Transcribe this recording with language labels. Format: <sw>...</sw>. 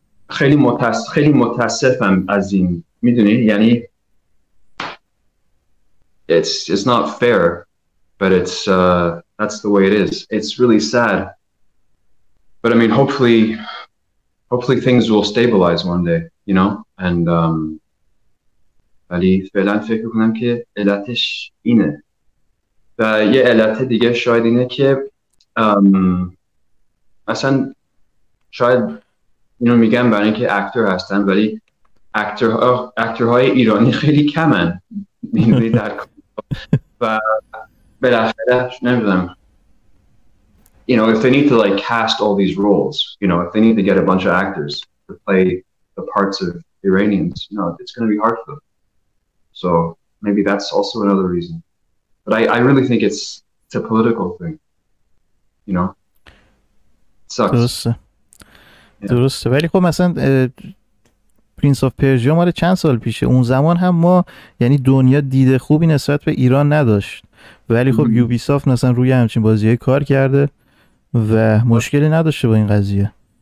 <fa>خیلی متاسفم از این، میدونی؟ یعنی</fa> <en>it's not fair, but it's that's the way it is. It's really sad. But I mean hopefully things will stabilize one day, you know?</en> <fa>And ولی فعلا فکر کنم که علتش اینه. و یه علت دیگه شاید اینه که مثلا شاید اینو میگم برای اینکه اکتر هستن، ولی اکترهای ایرانی خیلی کمن میدونی در و بالاخره نمیدونم</fa> <en>you know if they need to like cast all these roles, you know, if they need to get a bunch of actors to play the parts of Iranians, you know, it's going to be hard for them. So maybe that's also another reason. But I really think it's a political thing, you know. It sucks.</en> <fa>درسته. درسته. ولی خب مثلا پرنس آف پرژیا مال چند سال پیشه، اون زمان هم ما یعنی دنیا دیده خوبی نسبت به ایران نداشت، ولی خب یوبیسافت مثلا روی همچین بازی های کار کرده و مشکلی نداشته با این قضیه.</fa>